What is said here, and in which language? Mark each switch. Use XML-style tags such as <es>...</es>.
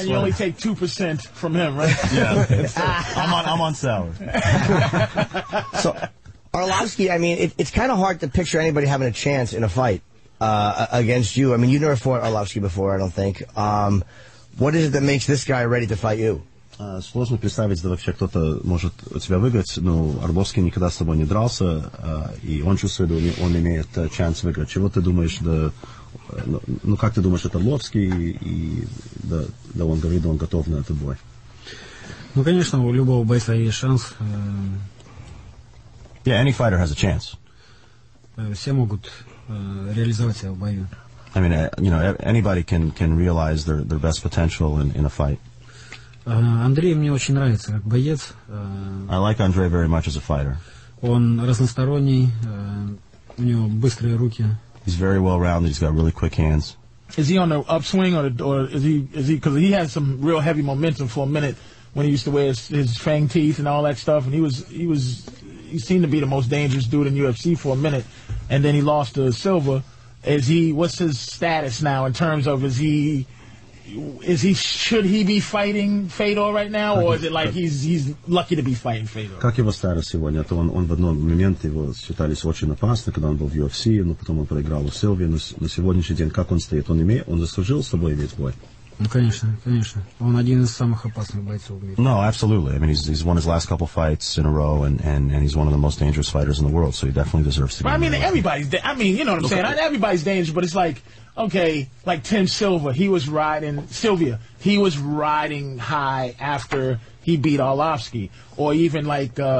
<en>And you only take 2% from him, right? Yeah. So, I'm on salary. So... Arlovsky, I mean, it's kind of hard to picture anybody having a chance in a fight against you. I mean, you've never fought Arlovsky before, I don't think. What is it that makes this guy ready to fight you?</en> <ru>Сложно представить, да вообще кто-то может у тебя выиграть, но Арбовский никогда с тобой не дрался, и он чувствует, что он имеет шанс выиграть. Чего ты думаешь, да... Ну, как ты думаешь, это Арлovsky, и да он говорит, он готов на этот бой? Ну, конечно, у любого бойца есть шанс...</ru> <en>Yeah, any fighter has a chance.</en> <ru>Все могут реализовать себя в бою.</ru> <en>I mean, you know, anybody can realize their best potential in a fight.</en> <ru>Андрей мне очень нравится как боец.</ru> <en>I like Andrei very much as a fighter.</en> <ru>Он разносторонний, у него быстрые руки.</ru> <en>He's very well-rounded, he's got really quick hands. Is he on the upswing or is he, because he had some real heavy momentum for a minute when he used to wear his fang teeth and all that stuff, and he was... He seemed to be the most dangerous dude in UFC for a minute, and then he lost to Silva. What's his status now in terms of, should he be fighting Fedor right now, or is it like he's lucky to be fighting Fedor?</en> <ru>Как его статус сегодня? То он в одном момент его считались очень опасным, когда он был в UFC, но потом он проиграл у Силви. На сегодняшний день, как он стоит? Он заслужил с тобой иметь бой? Ну, конечно. Он один из самых опасных бойцов в мире.</ru> <en>No, absolutely. I mean, he's won his last couple fights in a row, and he's one of the most dangerous fighters in the world, so he definitely deserves to be. But, I mean, everybody's... I mean, you know what I'm saying? Not everybody's dangerous, but it's like, okay, like Tim Silva, he was riding high after he beat Arlovsky. Or even like</en>